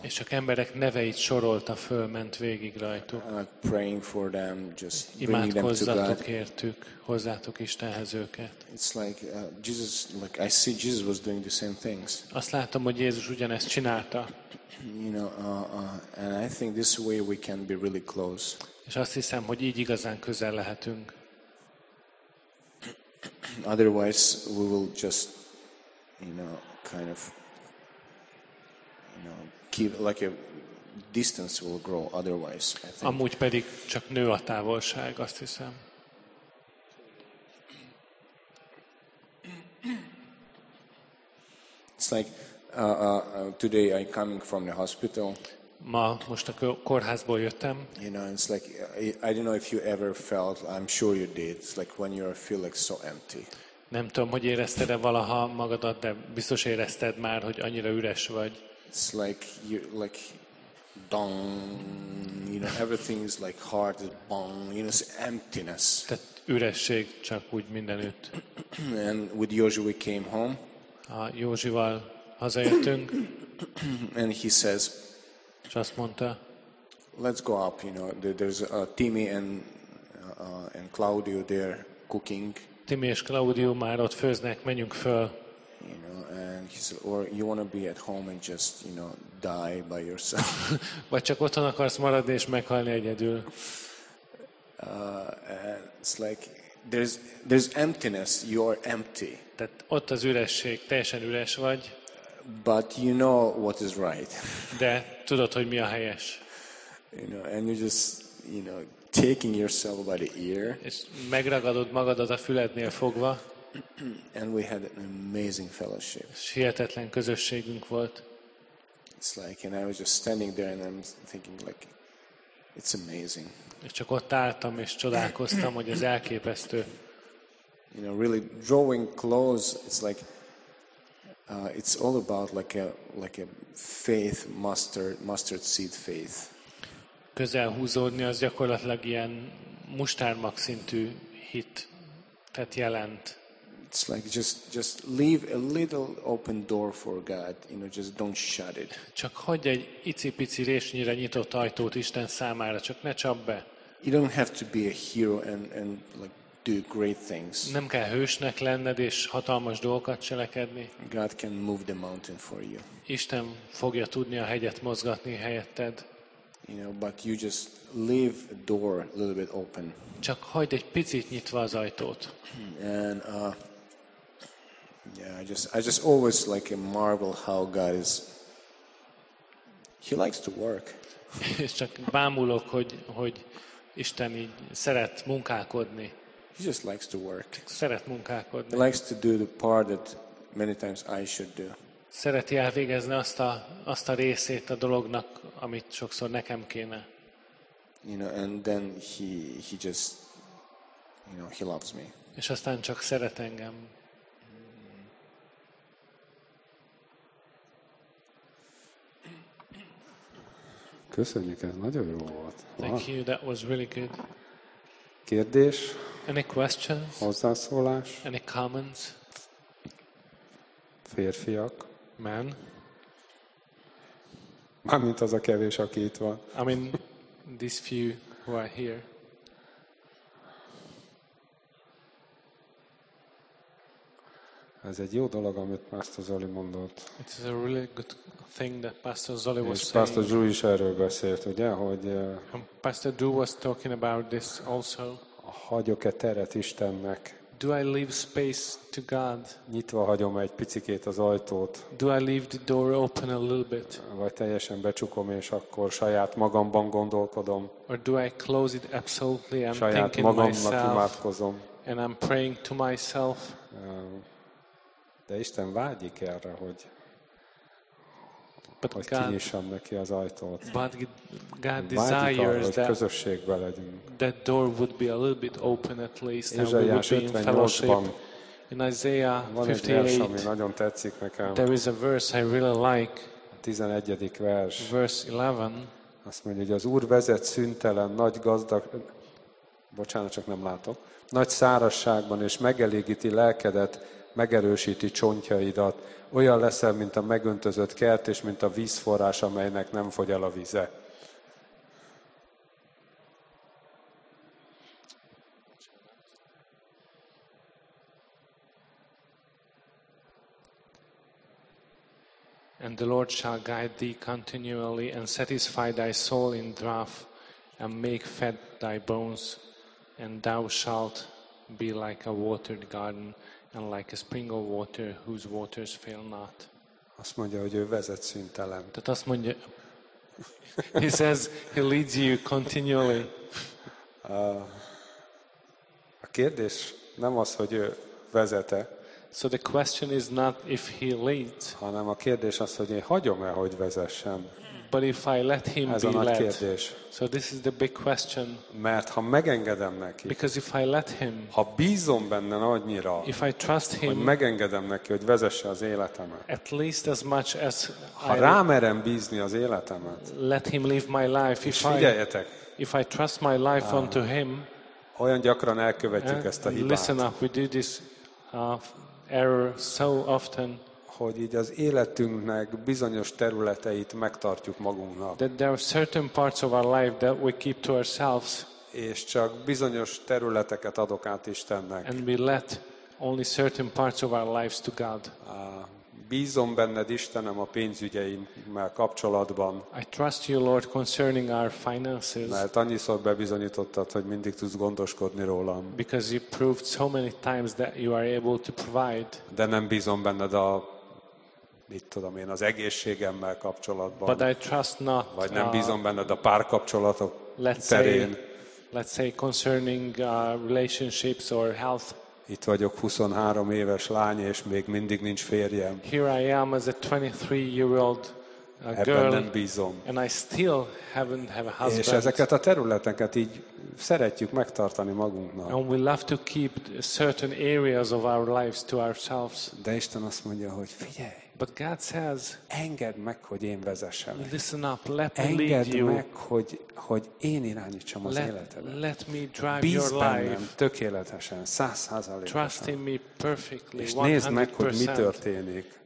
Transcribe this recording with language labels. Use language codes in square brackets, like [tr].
[hu] És csak emberek neveit sorolta föl, ment végig rajtuk. [en] Praying for them, just bringing them to God. [hu] Imádkozzatok értük, hozzátok Istenhez őket. [en] It's like Jesus, like I see Jesus was doing the same things. [hu] Azt látom, hogy Jézus ugyanezt csinálta. [en] You know, and I think this way we can be really close. [hu] És azt hiszem, hogy így igazán közel lehetünk. [en] Otherwise, we will just you know, kind of, you know, keep like a distance will grow otherwise. [hu] Amúgy pedig csak nő a távolság, azt hiszem. [en] It's like today I'm coming from the hospital. [hu] Ma most a kórházból jöttem. [en] You know, it's like I don't know if you ever felt. I'm sure you did. It's like when you feel like so empty. [hu] Nem tudom, hogy érezted-e valaha magadat, de biztos érezted már, hogy annyira üres vagy. [en] It's like you like dong, you know, everything is like hard, bong, you know, it's emptiness. [hu] Tehát üresség csak úgy mindenütt. [en] And with Józsi we came home. [hu] A Józsival hazajöttünk. [en] And he says, [hu] és azt mondta, [en] let's go up, you know, there's Timi and Claudio there cooking. [hu] Timi és Claudio már ott főznek, menjünk föl. [en] You know, and he said, or you want to be at home and just, you know, die by yourself. [hu] Vagy csak otthon akarsz maradni és meghalni egyedül. [en] And it's like there's emptiness, you're empty. [hu] Tehát ott az üresség, teljesen üres vagy. [en] But you know what is right. [hu] De tudod, hogy mi a helyes. [en] You know, and you just, you know, taking yourself by the ear. [hu] És megragadod magadat a fülednél fogva. [en] And we had an amazing fellowship. [hu] Hihetetlen közösségünk volt. [en] It's like, and I was just standing there and I'm thinking like, it's amazing. [hu] És csak ott álltam és csodálkoztam, hogy ez elképesztő. [en] You know, really drawing close, it's like, it's all about like a faith, mustard seed faith. [hu] Közel húzódni az gyakorlatilag ilyen mustármag szintű hit, tehát jelent. [en] It's like just leave a little open door for God, you know, just don't shut it. [hu] Csak hagyj egy icipici résnyire nyitott ajtót Isten számára, csak ne csapd be. [en] You don't have to be a hero and like do great things. [hu] Nem kell hősnek lenned és hatalmas dolgokat cselekedni. [en] God can move the mountain for you. [hu] Isten fogja tudni a hegyet mozgatni helyetted. [en] You know, but you just leave a door a little bit open. [hu] Csak hagyd egy picit nyitva az ajtót. [en] And I just always like marvel how God is. He likes to work. [hu] És csak bámulok, hogy Isten így szeret munkálkodni. [en] He just likes to work. [hu] Szeret munkálkodni. [en] He likes to do the part that many times I should do. [hu] Szereti elvégezni azt a részét a dolognak, amit sokszor nekem kéne. [en] You know, and then he just, you know, he loves me. [hu] És aztán csak szeret engem. Köszönjük, ez nagyon jó volt. [en] Thank you, that was really good. [hu] Kérdés? [en] Any questions? [hu] Hozzászólás? [en] Any comments? [hu] Férfiak? [en] Men? [hu] Mármint az a kevés, aki itt van. [en] I mean, these few who are here. [hu] Ez egy jó dolog, amit Pastor Zoli mondott. [en] It's a really good thing that Pastor Zoli was saying. [hu] És Pastor Drew is erről beszélt, ugye? Hogy, [en] Pastor Drew was talking about this also. [hu] Hagyok-e teret Istennek? [en] Do I leave space to God? [hu] Nyitva hagyom egy picikét az ajtót. [en] Do I leave the door open a little bit? [hu] Vagy teljesen becsukom és akkor saját magamban gondolkodom. [en] Or do I close it absolutely and [hu] saját magamnak imádkozom. [en] And I'm praying to myself. [hu] De Isten vágyik erre, hogy kinyissam neki az ajtót. [en] But God desires [hu] hogy közösségbe legyünk. [en] That door would be a little bit open at least, and we would be in fellowship. In Isaiah 58, [hu] ami nagyon tetszik nekem. [en] There is a verse I really like. [hu] 11. vers. [en] Verse 11. [hu] Azt mondja, hogy az Úr vezet szüntelen, nagy gazdag... Bocsánat, csak nem látok. Nagy szárazságban, és megelégíti lelkedet, megerősíti csontjaidat. Olyan leszel, mint a megöntözött kert, és mint a vízforrás, amelynek nem fogy el a vize. [en] And the Lord shall guide thee continually and satisfy thy soul in drought and make fat thy bones and thou shalt be like a watered garden and like a spring of water whose waters fail not. [hu] Azt mondja, hogy ő vezet szüntelen. Tehát azt mondja, [en] He says he leads you continually. [hu] A kérdés nem az, hogy ő vezet-e. [en] So the question is not if he leads. [hu] Hanem a kérdés az, hogy én hagyom-e, hogy vezessem. [en] But if I let him [hu] ez [en] be [hu] a nagy [en] led. [hu] Kérdés. [en] So this is the big question. [hu] Mert ha megengedem neki. [en] Because if I let him. [hu] Ha bízom benne annyira. [en] If I trust him. [hu] Hogy megengedem neki, hogy vezesse az életemet. [en] At least as much as [hu] ha rámerem bízni az életemet. [en] Let him live my life. [hu] És figyeljetek. [en] If I trust my life unto him. [hu] Olyan gyakran elkövetjük ezt a hibát. [en] Listen up, we do this error so often. [hu] Hogy így az életünknek bizonyos területeit megtartjuk magunknak. [en] That there are certain parts of our life that we keep to ourselves. [hu] És csak bizonyos területeket adok át Istennek. [en] And we let only certain parts of our lives to God. [hu] Bízom benned, Istenem, a pénzügyeimmel kapcsolatban. [en] I trust you, Lord, concerning our finances. [hu] Mert annyiszor bebizonyítottad, hogy mindig tudsz gondoskodni rólam. [en] Because you proved so many times that you are able to provide. [hu] De nem bízom benned a, mit tudom én, az egészségemmel kapcsolatban. [en] But I trust not. [hu] Vagy nem bízom benned a párkapcsolatok terén. [en] Let's say concerning relationships or health. [hu] Itt vagyok 23 éves lány, és még mindig nincs férjem. [en] Here I am as a 23-year-old girl, [hu] ebben nem bízom. [en] And I still haven't have a husband. [hu] És ezeket a területeket így szeretjük megtartani magunknak. [en] And we love to keep certain areas of our lives to ourselves. [hu] De Isten azt mondja, hogy figyelj. [en] But God says, [hu] engedd meg, hogy én vezessem. [en] Listen up, let me lead you. [hu] Engedd meg, hogy én irányítsam az életedet. [en] Let me drive your life. [hu] Bízz bennem tökéletesen, 100%. [en] Trust in me perfectly, 100%. [hu] És nézd meg, hogy mi történik.